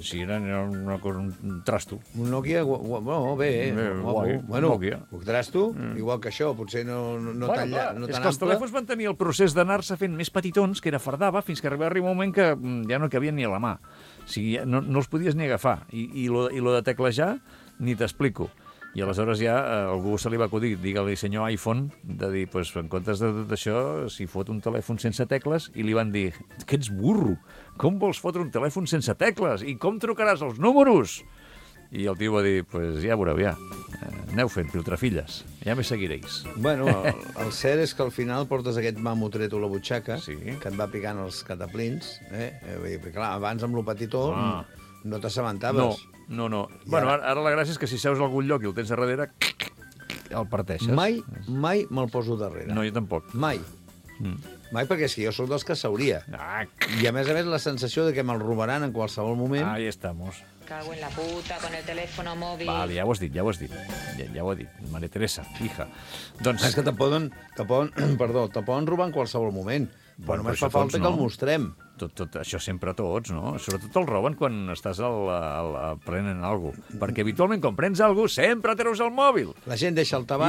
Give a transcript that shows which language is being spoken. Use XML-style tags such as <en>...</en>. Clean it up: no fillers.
<ca>Sí, era un trasto. Un Nokia, guapo. Bueno, trasto, igual que això, potser no tan llarg. És que els telèfons van tenir el procés d'anar-se fent més petitons, que era fardava, fins que arribava un moment que ja no cabien ni a la mà. O sigui, no els podies ni agafar. I lo de teclejar, ni t'explico. I aleshores ja algú se li va acudir, digue-li senyor iPhone, de dir, pues, en comptes de tot això, si fot un telèfon sense tecles, i li van dir, que ets burro, com vols fotre un telèfon sense tecles? I com trucaràs els números? I el tio va dir, pues, ja veureu, ja, aneu fent piltrafilles,</ca> <es>ja me seguireis.</es> <ca>Bueno, el cert és que al final portes aquest mamotreto a la butxaca, sí, que et va picant els cataplins, vull dir, perquè clar, abans amb lo petitó no t'assabentaves. No. Ja. Bueno, ara la gràcia és que si seus a algun lloc i el tens a darrere, el parteixes. Mai me'l poso darrere. No, jo tampoc. Mai. Mai, perquè és que jo soc dels que s'hauria. Ah, i a més la sensació de que me'l robaran en qualsevol moment...</ca> <es>Ahí estamos. Cago en la puta con el teléfono móvil.</es> <ca>Vale, ja ho has dit. Ja ho he dit. Mare Teresa, hija. Doncs... És que te poden robar en qualsevol moment. Però només fa falta que el mostrem. Tot això sempre tots, no? Sobretot el roben quan estàs prenent alguna cosa. Perquè habitualment, quan prens alguna cosa, sempre treus el mòbil. La gent deixa el tabac...</ca>